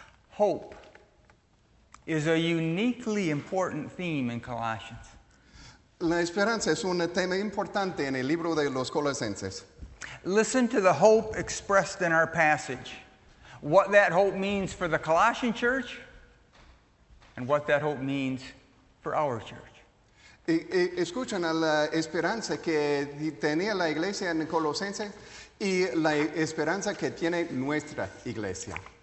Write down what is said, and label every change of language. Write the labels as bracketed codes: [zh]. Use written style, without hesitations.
[en] Hope is a uniquely important theme in Colossians. [es] La esperanza es un tema importante en el libro de los Colosenses. [en] Listen to the hope expressed in our passage. What that hope means for the Colossian church and what that hope means for our church. [es] Escuchen a la esperanza que tenía la iglesia en Colosenses y la esperanza que tiene nuestra iglesia.